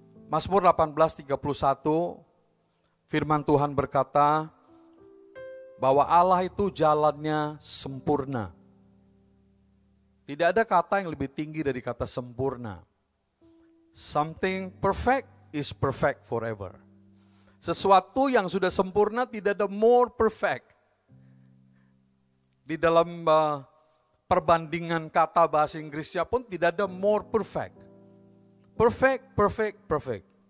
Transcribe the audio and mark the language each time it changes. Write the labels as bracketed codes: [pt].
[id] Mazmur 18:31, firman Tuhan berkata bahwa Allah itu jalannya sempurna. Tidak ada kata yang lebih tinggi dari kata sempurna. [en] Something perfect is perfect forever. [id] Sesuatu yang sudah sempurna tidak ada [en] more perfect. [id] Di dalam perbandingan kata bahasa Inggrisnya pun tidak ada [en] more perfect. Perfect, perfect, perfect.